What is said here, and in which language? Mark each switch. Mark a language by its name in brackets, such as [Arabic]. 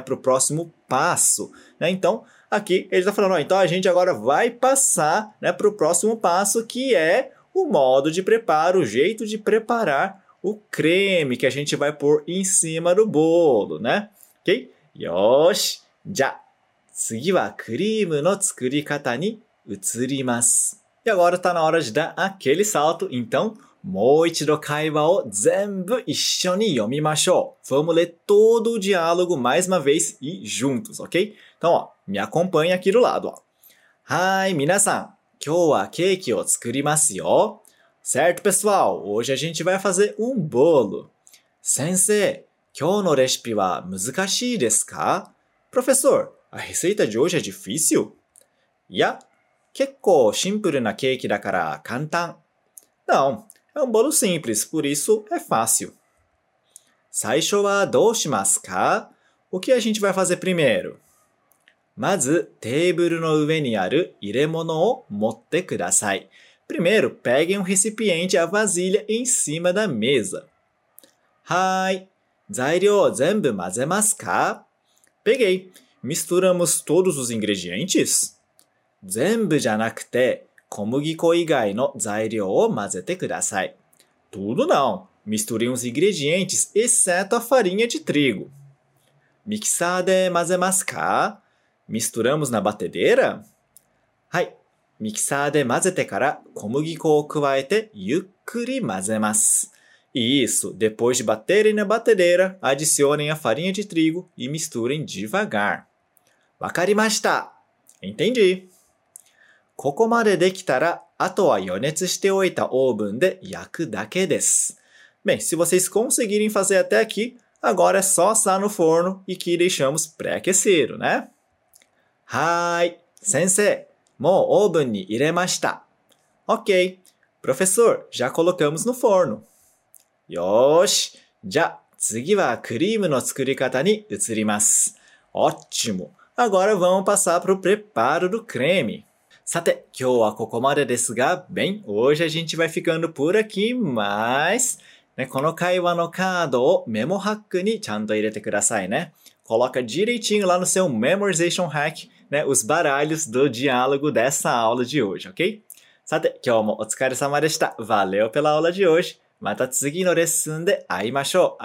[Portuguese] Para o próximo passo, né? Então, aqui ele está falando, ó, então a gente agora vai passar, né, para o próximo passo, que é o modo de preparo, o jeito de preparar o creme que a gente vai pôr em cima do bolo, né? Ok? Yoshi! Já! [Japanese] 次はクリームの作り方に移ります。 [Portuguese] E agora está na hora de dar aquele salto, então... [Japanese] もう一度会話を全部一緒に読みましょう。 [Portuguese] Vamos ler todo o diálogo mais uma vez e juntos, ok? Então, ó, me acompanhe aqui do lado. Ó. [Japanese] はい、皆さん、今日はケーキを作りますよ。 [Portuguese] Certo, pessoal? Hoje a gente vai fazer um bolo. [Japanese] 先生、今日のレシピは難しいですか? [Portuguese] Professor, a receita de hoje é difícil? [Japanese] Yeah, 結構シンプルなケーキだから簡単。 [Portuguese] Não. É um bolo simples, por isso é fácil. [Japanese] 最初はどうしますか? [Portuguese] O que a gente vai fazer primeiro? [Japanese] まずテーブルの上にある入れ物を持ってください。 [Portuguese] Primeiro, peguem um recipiente, a vasilha em cima da mesa. [Japanese] はい。材料を全部混ぜますか? [Portuguese] Peguei. Misturamos todos os ingredientes? [Japanese] 全部じゃなくて、小麦粉以外の材料を混ぜてください。 [Portuguese] Tudo não. Misture os ingredientes, exceto a farinha de trigo. [Japanese] ミキサーで混ぜますか? [Portuguese] Misturamos na batedeira? [Japanese] はい。ミキサーで混ぜてから小麦粉を加えてゆっくり混ぜます。 [Portuguese] Isso. Depois de baterem na batedeira, adicionem a farinha de trigo e misturem devagar. [Japanese] わかりました。 [Portuguese] Entendi. [Japanese] ここまでできたら、あとは予熱しておいたオーブンで焼くだけです。 [Portuguese] Bem, se vocês conseguirem fazer até aqui, agora é só assar no forno e que deixamos pré-aquecido, né? [Japanese] はい。先生、もうオーブンに入れました。 [Portuguese] Ok. Professor, já colocamos no forno. [Japanese] よし。じゃあ、次はクリームの作り方に移ります。 [Portuguese] Ótimo. Agora vamos passar para o preparo do creme. [Japanese] さて、今日はここまでですが、 [Portuguese] bem, hoje a gente vai ficando por aqui, mas...、 [Japanese] ね、この会話のカードをメモハックにちゃんと入れてくださいね。 [Portuguese] Coloca direitinho lá no seu memorization hack, né, os baralhos do diálogo dessa aula de hoje, ok? [Japanese] さて、今日もお疲れ様でした。 [Portuguese] Valeu pela aula de hoje. [Japanese] また次のレッスンで会いましょう。